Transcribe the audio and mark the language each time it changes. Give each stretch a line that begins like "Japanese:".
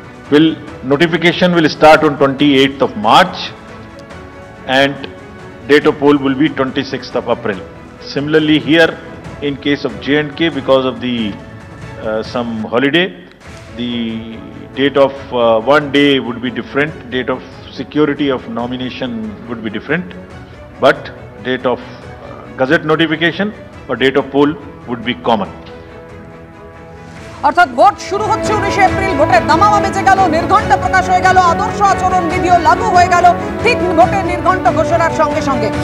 English: Will notification will start on 28th of March and date of poll will be 26th of April. Similarly here in case of J&K because of the some holiday the date of one day would be different, date of security of nomination would be different, but date of gazette notification or date of poll would be common.
Bangla: অর্থাৎ vote শুরু হচ্ছে 19 April, ভোটের দামামা বেজে গেল, নির্ঘণ্ট প্রকাশ হয়ে গেল, আদর্শ আচরণ বিধিও লাগু হয়ে গেল ঠিক ভোটের নির্ঘণ্ট ঘোষণার সঙ্গে সঙ্গে।